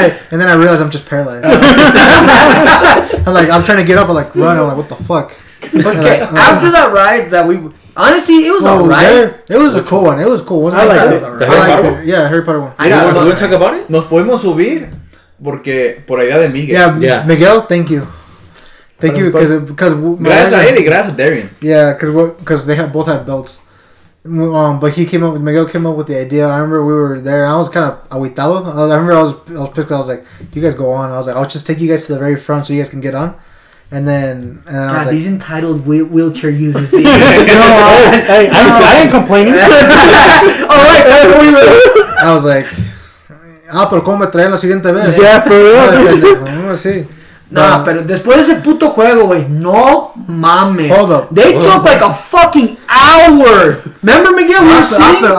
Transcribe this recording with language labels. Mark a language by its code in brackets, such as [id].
[en] and then I realize I'm just paralyzed. I'm like, I'm trying to get up. I'm like, run. I'm like, what the fuck? Okay, like, after that ride that we... Honestly, it was alright. It was a cool one. It was cool. Wasn't I like it. The Harry Potter one. Yeah, Harry Potter one. Do you want to talk about it? [es] Nos podemos subir porque por idea de Miguel. [en] Yeah, yeah. Miguel, thank you. Thank you because [es] gracias a Eddie, gracias a Darian. [en] Yeah, because they both had belts. But Miguel came up with the idea. I remember we were there. I was kind of aguitado. I remember I was pissed. I was like, you guys go on. I was like, I'll just take you guys to the very front so you guys can get on. And then God, I was like, these entitled wheelchair users. Hey, I ain't complaining. All right, I was like, [es] ah, pero cómo me traen la siguiente vez? [en] Yeah, for real. [es] Sí. Nah, pero después de ese puto juego, güey, no mames. [en] Hold up. They took like a fucking hour. Remember, Miguel, we were sitting?